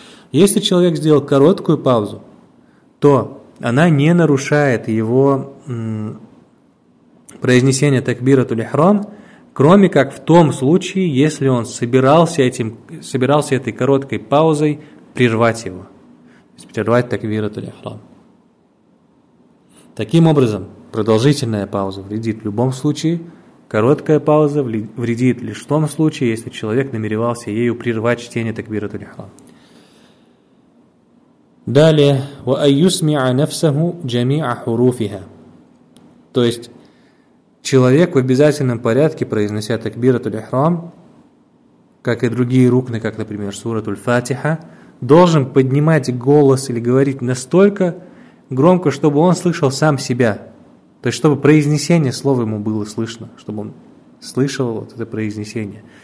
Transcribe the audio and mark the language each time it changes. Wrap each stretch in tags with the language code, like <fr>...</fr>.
<ru>Если человек сделал короткую паузу, то она не нарушает его произнесение такбирату лихрам, кроме как в том случае, если он собирался этой короткой паузой прервать его, то есть прервать такбирату лихрам. Таким образом, продолжительная пауза вредит в любом случае, короткая пауза вредит лишь в том случае, если человек намеревался ею прервать чтение такбирату лихрам.</ru> <ar>Далее, وَأَيُّسْمِعَ نَفْسَهُ جَمِيعَ حُرُوفِهَا.</ar> <ru>То есть, человек в обязательном порядке, произнося такбирату лихрам, как и другие рукны, как, например, суратуль фатиха, должен поднимать голос или говорить настолько громко, чтобы он слышал сам себя. То есть, чтобы произнесение слова ему было слышно, чтобы он слышал вот это произнесение.</ru>